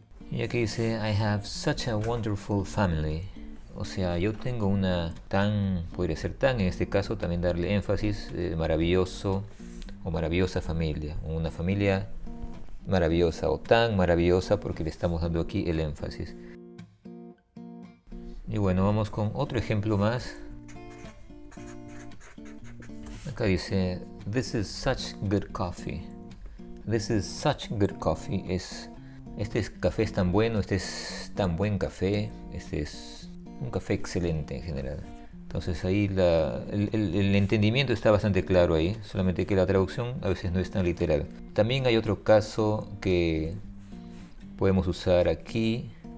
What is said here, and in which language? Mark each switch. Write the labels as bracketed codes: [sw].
[es] Y aquí dice, [en] I have such a wonderful family. [es] O sea, yo tengo una tan, podría ser tan, en este caso también darle énfasis, maravilloso o maravillosa familia. Una familia maravillosa o tan maravillosa porque le estamos dando aquí el énfasis. Y bueno, vamos con otro ejemplo más. Acá dice, [en] this is such good coffee. This is such good coffee. [es] Café es tan bueno, este es tan buen café, este es un café excelente en general. Entonces ahí el entendimiento está bastante claro ahí, solamente que la traducción a veces no es tan literal. También hay otro caso que podemos usar aquí.